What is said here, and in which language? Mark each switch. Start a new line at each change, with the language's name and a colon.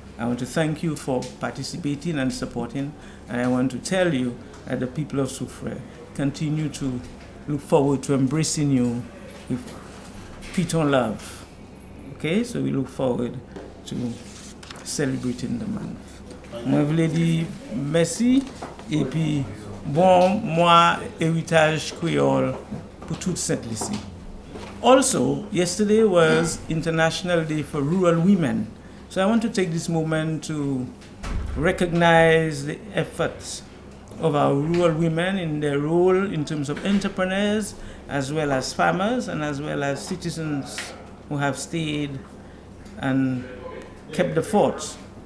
English: I want to thank you for participating and supporting, and I want to tell you that the people of Soufré continue to look forward to embracing you with piton love. Okay, so we look forward to celebrating the month.
French: Moi, je voulais dire merci et puis bon moi héritage créole pour toute cette liste.
English: Also, yesterday was International Day for Rural Women. So I want to take this moment to recognize the efforts of our rural women in their role in terms of entrepreneurs, as well as farmers, and as well as citizens who have stayed and kept the fort.